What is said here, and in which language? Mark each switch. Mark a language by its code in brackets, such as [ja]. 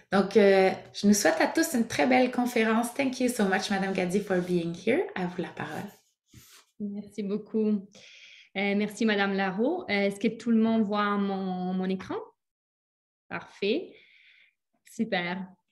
[fr] Donc, je nous souhaite à tous une très belle conférence. [en] Thank you so much, Madame Gadi, for being here. [fr] À vous la parole. Merci beaucoup. Merci, Madame Larrault. Est-ce que tout le monde voit mon écran? Parfait. Super.